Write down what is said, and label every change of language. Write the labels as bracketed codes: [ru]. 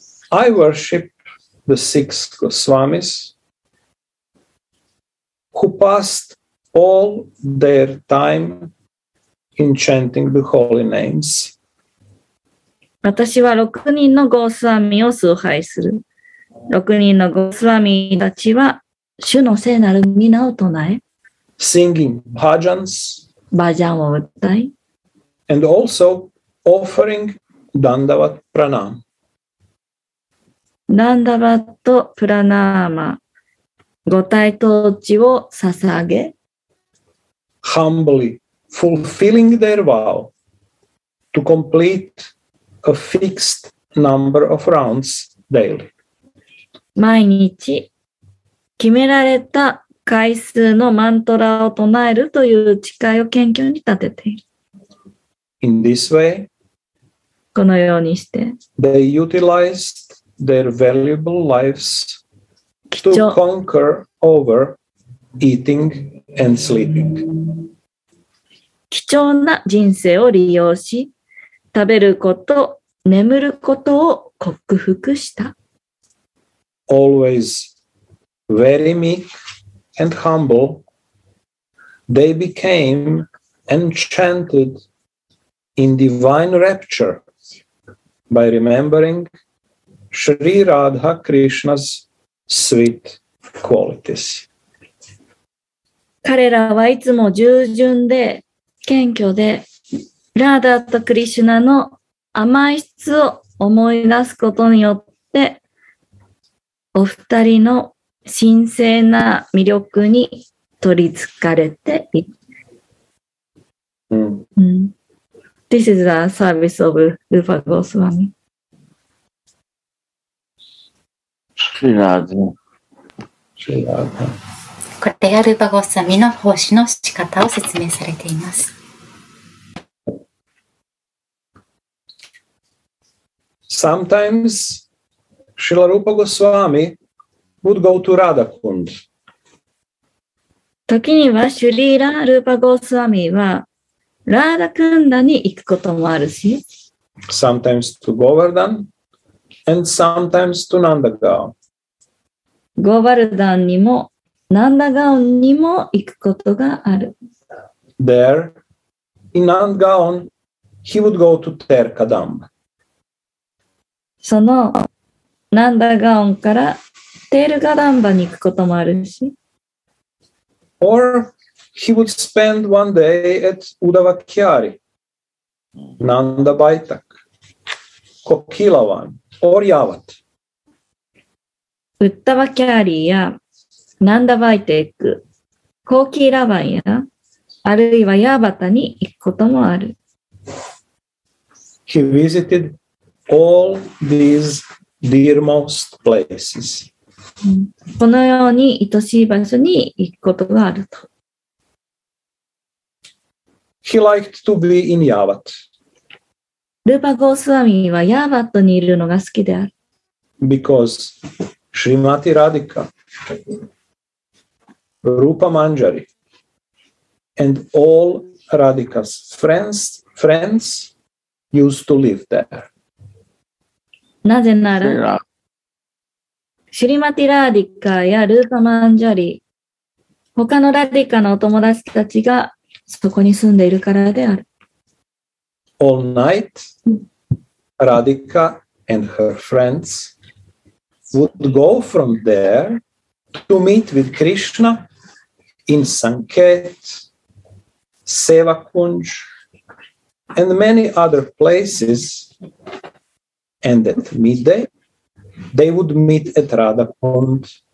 [en] I worship the six Goswamis who passed all their time in chanting the holy names. [ja] 私は6人のゴスワミを崇拝する。 6人のゴスワミたちは主の聖なる皆を唱え。 [en] Singing bhajans, [ja] bhajan を歌い、 [en] and also offering dandavat pranam. [ja] Dandavat pranama, 五体投地を捧げ、 [en] humbly fulfilling their vow to complete a fixed number of rounds daily. [ja] 毎日決められた回数のマントラを唱えるという誓いを謙虚に立てている。 [en] In this way, [ja] このようにして、 [en] they utilized their valuable lives to conquer over eating and sleeping. [ja] 貴重な人生を利用し、食べること、眠ることを克服した。 [en] Always very meek. And humble, they became enchanted in divine rapture by remembering Sri Radha Krishna's sweet qualities. [ja] 彼らはいつも従順で謙虚で、ラーダとクリシュナの甘い質を思い出すことによって、お二人の神聖な魅力に取り憑かれて、 [en] This is a service of Rupa Goswami. Shri Radha. [ja] これがルーパゴスワミの奉仕の仕方を説明されています。 [en] Sometimes Srila Rupa Goswami would go to Radha Kund. [ja] 時にはシュリーラ・ルーパ・ゴースワミはラーダ・クンダに行くこともあるし、 [en] Sometimes to Govardhan and sometimes to Nandagao. [ja] Govardhan にも Nandagao にも行くことがある。 [en] There, in Nandagao, he would go to Terkadam. [ja] そのナンダガオンからテールガダンバに行くこともあるし。 [en] Or he would spend one day at Uddhava Kyari, Nanda Baitak, Kokilavan, or Yavat. [ja] Uddhava Kyari や Nanda Baitak, Kokilavan やあるいは Yavata に行くこともある。 [en] He visited all these dearmost places. [ja] このように愛しい場所に行くことがあると。 [en] He liked to be in Yavat. [ja] ルーパ・ゴースワミはヤーバットにいるのが好きである。 [en] Because Srimati Radhika, Rupa Manjari, and all Radhika's friends used to live there. [ja] なぜなら、シュリマティ・ラーディカやルーパ・マンジャリ、他のラディカのお友達たちがそこに住んでいるからである。 [en] All night, Radhika and her friends would go from there to meet with Krishna in Sanket, Sevakunj, and many other places, and at midday,They would meet at Radha Pond.